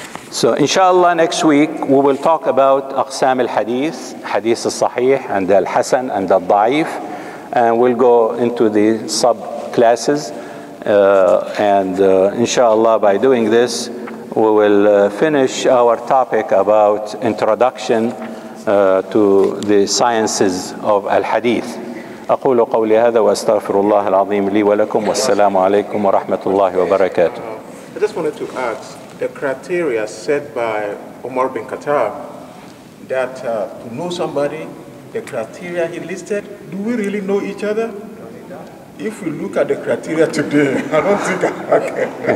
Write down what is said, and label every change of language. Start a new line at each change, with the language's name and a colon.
English: So inshallah, next week we will talk about Aqsam al-Hadith, Hadith al-Sahih and al-Hasan and al-Da'if, and we'll go into the sub-classes. Inshallah, by doing this, we will finish our topic about introduction to the sciences of al-Hadith.
Arabic: أقول قولي هذا وأستغفر الله العظيم لي ولكم والسلام عليكم ورحمة الله وبركاته.
English: I just wanted to ask the criteria set by Omar bin Khattab that to know somebody, the criteria he listed, do we really know each other? If we look at the criteria today, I don't think I can.